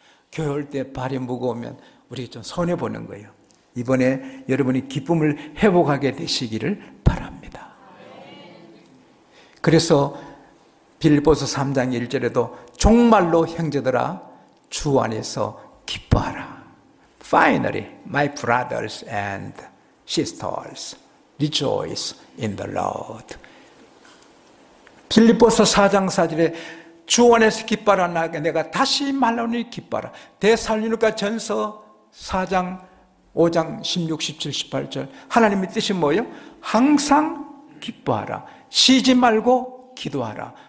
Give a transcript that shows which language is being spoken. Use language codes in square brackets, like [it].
[ko] 교회 올 때 발이 무거우면 우리 좀 손해보는 거예요. 이번에 여러분이 기쁨을 회복하게 되시기를 바랍니다. 그래서 빌립보서 3장 1절에도 종말로 형제들아 주 안에서 기뻐하라. [en] Finally, my brothers and sisters, rejoice in the Lord. [ko] 빌립보서 4장 4절에 주 안에서 기뻐라. 내가 다시 말하노니 기뻐라. 데살로니가 전서 4장 5장 16, 17, 18절 하나님의 뜻이 뭐예요? 항상 기뻐하라. 쉬지 말고 기도하라.